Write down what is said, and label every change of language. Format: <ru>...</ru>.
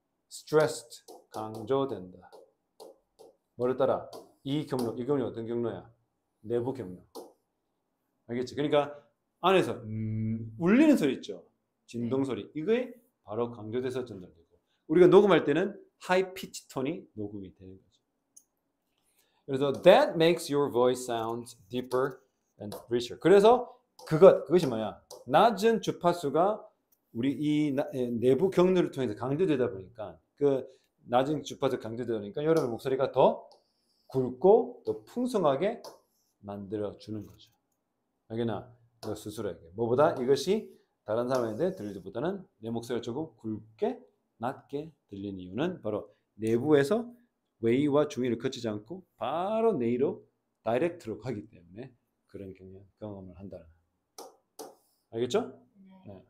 <ko>stressed, 강조된다. 뭐를 따라? 이 경로, 이 경로 어떤 경로야? 내부 경로. 알겠지? 그러니까 안에서 울리는 소리 있죠? 진동 소리. 이게 바로 강조돼서 전달되고. 우리가 녹음할 때는 high pitch tone이 녹음이 되는 거죠. 그래서</ko> <en>that makes your voice sound deeper and richer.</en> <ko>그래서 그것이 뭐야? 낮은 주파수가 우리 이 내부 경로를 통해서 강조되다 보니까 그 낮은 주파수 강조되다 보니까 여러분 목소리가 더 굵고 더 풍성하게 만들어주는 거죠. 여기나 너 스스로에게 뭐보다 이것이 다른 사람에게 들리기보다는 내 목소리가 조금 굵게 낮게 들리는 이유는 바로 내부에서 외이와 중이를 거치지 않고 바로 내이로 다이렉트로 가기 때문에 그런 경험을 한다는 거예요. 알겠죠? 네.</ko>